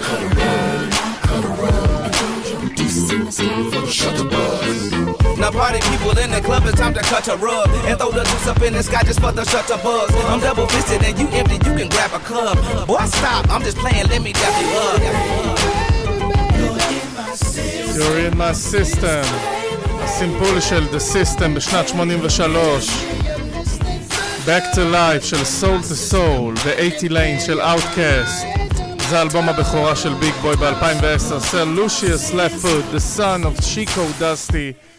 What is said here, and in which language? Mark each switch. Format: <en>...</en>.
<en>Cut a rug, now, cut a rug. Shut the buzz. Now party people in the club, it's time to cut a rug and throw the juice up in the sky just for the shutterbugs. I'm double fisted and you empty, you can grab a club. Boy, stop, I'm just playing, let me dab you up. You're in my system.</en> <he>הסימפול של The System בשנת 83. Back to Life של Soul to Soul ו-80 Lane של Outkast. זה האלבום הבכורה של ביג בוי ב-2010.</he> <en>Sir Lucius Leftfoot, the son of Chico Dusty.</en>